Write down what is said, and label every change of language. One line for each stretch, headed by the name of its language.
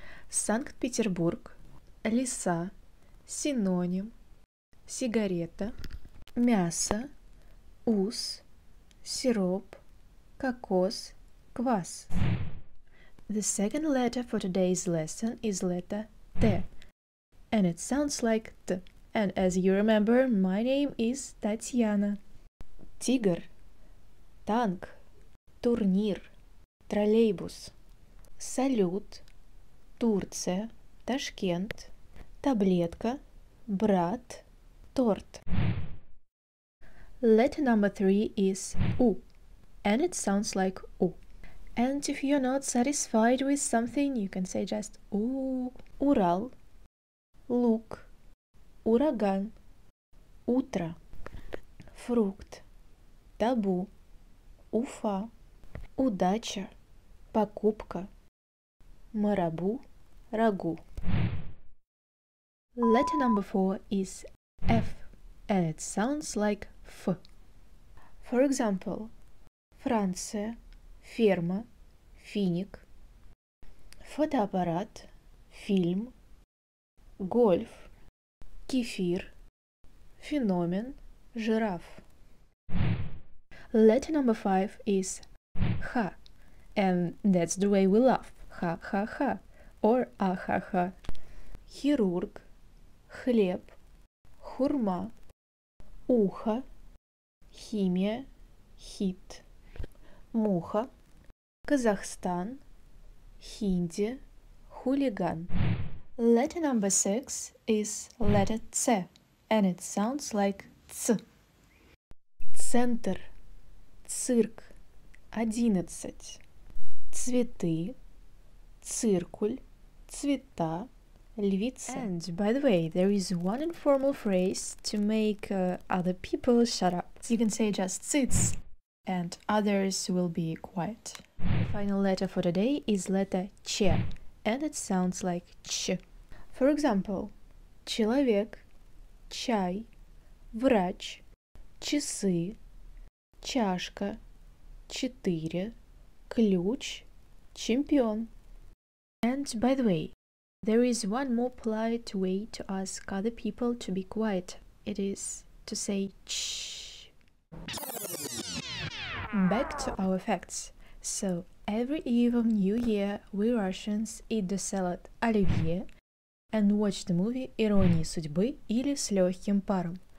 Russian: Санкт-Петербург, лиса, синоним, сигарета, мясо, ус, сироп, кокос, квас.
English: The second letter for today's lesson is letter T, and it sounds like T. And as you remember, my name is Tatiana.
Russian: Тигр. Танк, турнир, троллейбус, салют, Турция, Ташкент, таблетка, брат, торт.
English: Letter number 3 is U, and it sounds like U. And if you're not satisfied with something, you can say just U.
Russian: Урал, лук, ураган, утро, фрукт, табу. Уфа, удача, покупка, марабу, рагу.
English: Letter number 4 is F, and it sounds like F. For example,
Russian: Франция, ферма, финик, фотоаппарат, фильм, гольф, кефир, феномен, жираф.
English: Letter number 5 is ха, and that's the way we laugh, ха-ха-ха, or а-ха-ха.
Russian: Хирург, хлеб, хурма, ухо, химия, хит, муха, Казахстан, хинди, хулиган.
English: Letter number 6 is letter ц, and it sounds like ц.
Russian: Центр. Цирк, 11, цветы, циркуль, цвета, львица.
English: And by the way, there is one informal phrase to make other people shut up. You can say just цыц, and others will be quiet. The final letter for today is letter ч, and it sounds like ч.
Russian: For example, человек, чай, врач, часы, чашка, четыре, ключ, чемпион.
English: And by the way, there is one more polite way to ask other people to be quiet. It is to say ч. Back to our facts. So, every eve of New Year, we Russians eat the salad оливье and watch the movie
Russian: «Иронии судьбы» или «С легким паром».